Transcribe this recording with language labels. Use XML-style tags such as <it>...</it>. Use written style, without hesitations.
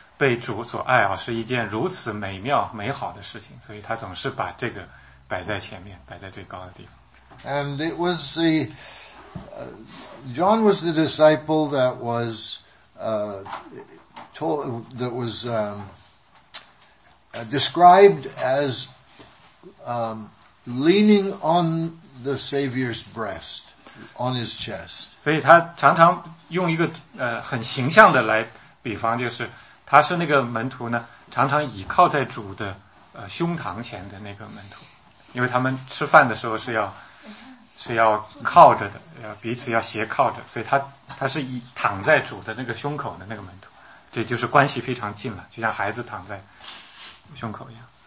<zh>被主所爱是一件如此美妙美好的事情，所以他总是把这个摆在前面，摆在最高的地方。</zh> <en>And it was the John was the disciple that was told that was described as leaning on the Savior's breast, on his chest.</en> <zh>所以他常常用一个很形象的来比方，就是。他是那个门徒呢，常常倚靠在主的胸膛前的那个门徒，因为他们吃饭的时候是要靠着的，彼此要斜靠着，所以他是倚躺在主的那个胸口的那个门徒，这就是关系非常近了，就像孩子躺在胸口一样。</zh>